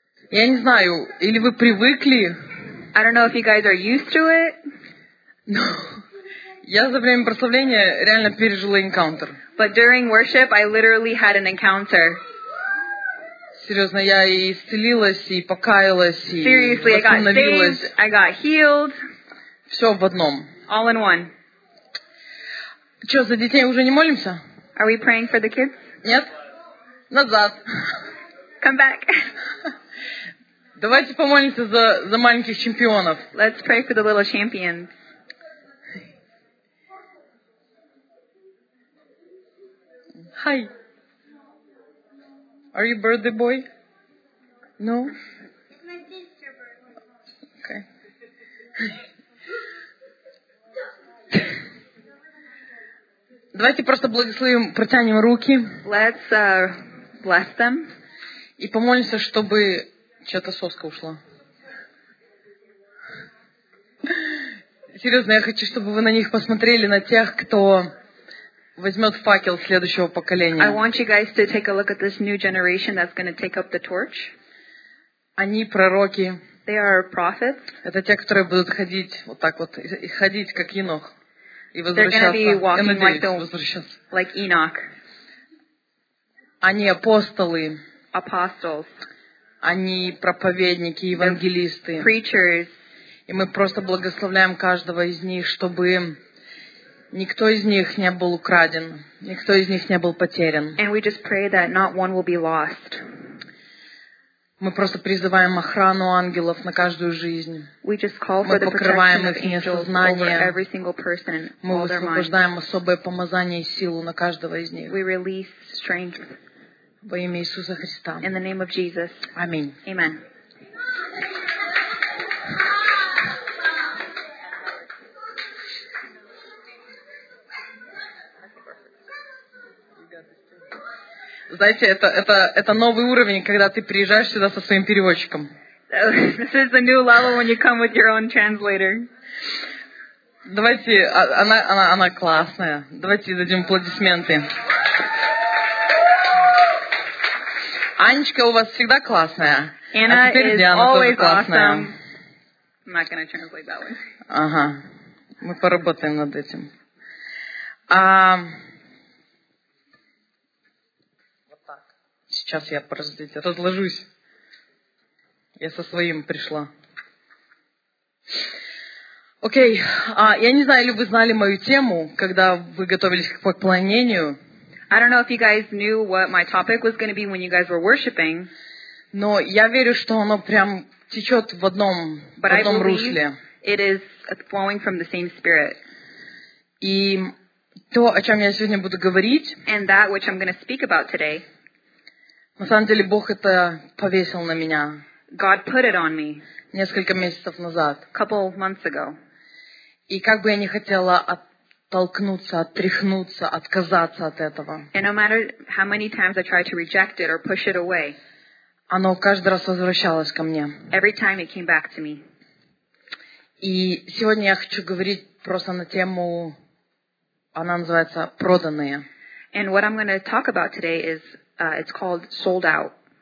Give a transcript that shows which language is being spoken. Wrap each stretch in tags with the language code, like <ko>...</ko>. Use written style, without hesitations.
<ru>Я не знаю, или вы привыкли.</ru> <en>I don't know if you guys are used to it.</en> <ru>Но я за время прославления реально пережила encounter.</ru> <en>But during worship, I literally had an encounter.</en> <ru>Серьезно, я и исцелилась, и покаялась, и</ru> <en>Seriously,</en> <ru>восстановилась.</ru> <en>I got healed.</en> <ru>Все в одном.</ru> <en>All in one.</en> <ru>Че, за детей уже не молимся?</ru> <en>Are we praying for the kids?</en> <ru>Нет. Назад.</ru> <en>Come back.</en> <ru>Давайте помолимся за маленьких чемпионов.</ru> <en>Let's pray for the little champions. Hi. Are you birthday boy? No? It's my sister's birthday. Okay.</en> <ru>Давайте просто благословим, протянем руки.</ru> <en>Let's bless them.</en> <ru>И помолимся, чтобы чья-то соска ушла. Серьезно, я хочу, чтобы вы на них посмотрели, на тех, кто возьмет факел следующего поколения.</ru> <en>I want you guys to take a look at this new generation that's going to take up the torch.</en> <ru>Они пророки.</ru> <en>They are prophets.</en> <ru>Это те, которые будут ходить вот так вот, и ходить как Енох. И возвращаться.</ru> <en>They're going to be walking</en> <ru>возвращаться.</ru> <en>Like Enoch.</en> <ru>Они апостолы.</ru> <en>Apostles.</en> <ru>Они проповедники, евангелисты.</ru> <en>They're preachers.</en> <ru>И мы просто благословляем каждого из них, чтобы никто из них не был украден, никто из них не был потерян.</ru> <en>And we just pray that not one will be lost.</en> <ru>Мы просто призываем охрану ангелов на каждую жизнь.</ru> <en>We just call</en> <ru>мы покрываем их несознание.</ru> <en>Every single person,</en> <ru>мы высвобождаем особое помазание и силу на каждого из них.</ru> <en>We release strength.</en> <ru>Во имя Иисуса Христа.</ru> <en>In the name of Jesus.</en> <ru>Аминь.</ru> <en>Amen.</en> <ru>Знаете, это новый уровень, когда ты приезжаешь сюда со своим переводчиком.</ru> <en>This is the new level when you come with your own translator.</en> <ru>Давайте, она классная. Давайте дадим аплодисменты. Анечка у вас всегда классная.</ru> <en>Anna</en> <ru>а теперь</ru> <en>is</en> <ru>Диана</ru> <en>always</en> <ru>тоже классная.</ru> <en>Awesome. I'm not gonna translate that way.</en> <ru>Ага, мы поработаем над этим. Сейчас я, подождите, разложусь. Я со своим пришла. Окей, я не знаю, ли вы знали мою тему, когда вы готовились к поклонению.</ru> <en>I don't know if you guys knew what my topic was going to be when you guys were worshiping.</en> <ru>Но я верю, что оно прям течет в одном русле.</ru> <en>It is flowing from the same spirit.</en> <ru>И то, о чем я сегодня буду говорить,</ru> <en>and that which I'm going to speak about today,</en> <ru>на самом деле, Бог это повесил на меня.</ru> <en>God put it on me.</en> <ru>Несколько месяцев назад.</ru> <en>Couple of months ago.</en> <ru>И как бы я не хотела оттолкнуться, отряхнуться, отказаться от этого.</ru> <en>And no matter how many times I tried to reject it or push it away.</en> <ru>Оно каждый раз возвращалось ко мне.</ru> <en>Every time it came back to me.</en> <ru>И сегодня я хочу говорить просто на тему, она называется «Проданные».</ru> <en>And what I'm going to talk about today is it's called sold out.</en>